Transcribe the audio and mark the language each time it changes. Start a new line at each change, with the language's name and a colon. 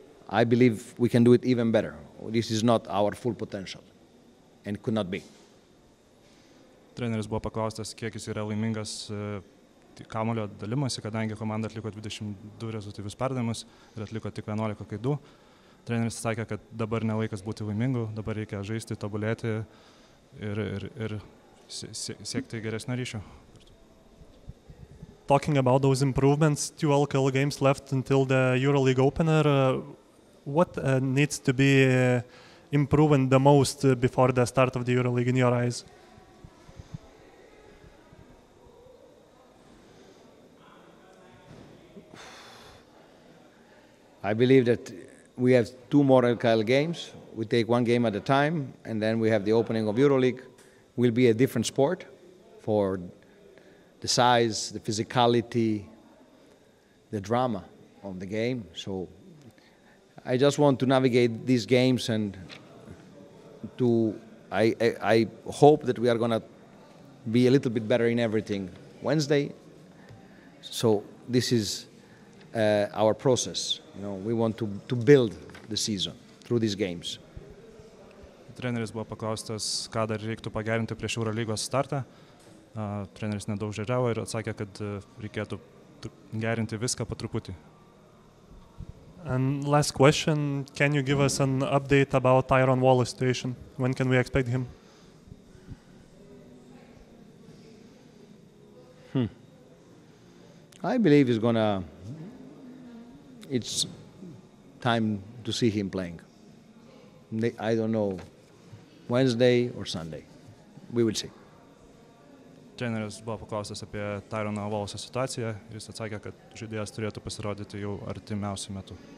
English: I believe we can do it even better. This is not our full potential and could not be.
Lithuanian: Treneris buvo paklaustas, kiek jis yra laimingas kamulio dalimasi, kadangi komanda atliko 22 rezultatyvius perdavimus ir atliko tik 11 klaidų. Treneris sakė, kad dabar nelaikas būti laimingu, dabar reikia žaisti, tobulėti ir siekti geresnio ryšio.
English: Talking about those improvements, two LKL games left until the EuroLeague opener. What needs to be improved the most before the start of the EuroLeague in your eyes? I believe that we have two more LKL games. We take one game at a time, and then we have the opening of EuroLeague. Will be a different sport for the size, the physicality, the drama of the game. So I just want to navigate these games and I hope that we are going to be a little bit better in everything Wednesday. So this is our process. You know, we want to build the season through these games.
Lithuanian: Treneris buvo paklaustas, ką dar reiktų pagerinti prieš EuroLeague startą. Treneris nedaug žaidžiavo ir atsakė, kad reikėtų gerinti viską po truputį.
English: And last question, can you give us an update about Tyron Wallace situation? When can we expect him? I believe he's gonna. It's time to see him playing. I don't know, Wednesday or Sunday. We will see.
Lithuanian: Treneris buvo paklausęs apie Tyrono Wallace situaciją ir jis atsakė, kad žaidėjas turėtų pasirodyti jau artimiausiu metu.